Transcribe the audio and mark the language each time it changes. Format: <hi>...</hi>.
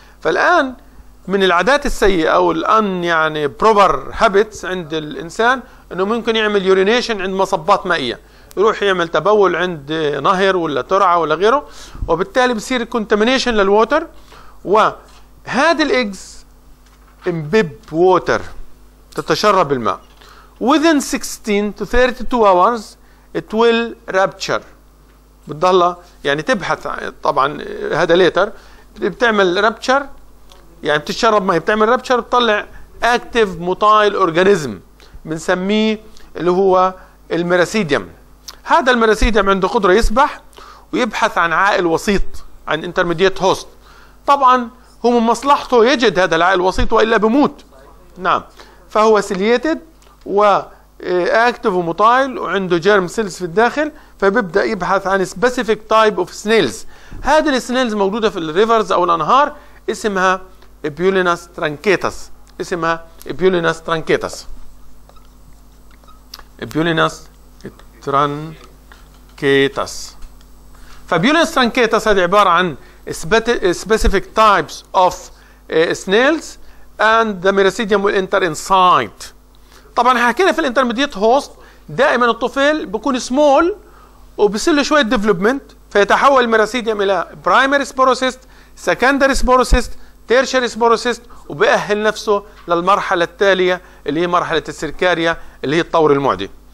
<ar>فالان من العادات السيئه او الان يعني بروبر هابتس عند الانسان انه ممكن يعمل يورينيشن عند مصبات مائيه، يروح يعمل تبول عند نهر ولا ترعه ولا غيره، وبالتالي بصير كونتامينيشن للووتر، وهذا الاكس</ar> <en>imbibe water</en> <ar>تتشرب الماء.</ar> <en>within 16 to 32 hours it will rupture.</en> <ar>بتضلها يعني تبحث طبعا هذا later بتعمل rupture، يعني بتتشرب ماء بتعمل rupture بتطلع</ar> <en>active motile organism</en> <ar>بنسميه اللي هو الميراسيديم. هذا الميراسيديم عنده قدره يسبح ويبحث عن عائل وسيط، عن intermediate host. طبعا هو من مصلحته يجد هذا العائل الوسيط والا بموت. نعم. فهو سيليتد واكتف ومطايل وعنده جيرم سيلز في الداخل، فبيبدا يبحث عن سبيسيفيك تايب اوف سنيلز. هذه السنيلز موجوده في الريفرز او الانهار اسمها بيوليناس ترانكيتاس، اسمها بيوليناس ترانكيتاس. بيوليناس ترانكيتاس. فبيوليناس ترانكيتاس هذه عباره عن</ar> <en>specific types of snails and the meristem will enter inside.</en> <ar>طبعا حكينا في الانترميديت هوست دائما الطفل بيكون سمول وبصير له شويه ديفلوبمنت فيتحول الميراسيديوم الى برايمري سبوروسيست، سكندري سبوروسيست، تيرشري سبوروسيست، وبأهل نفسه للمرحله التاليه اللي هي مرحله السركاريا اللي هي التطور المعدي.</ar>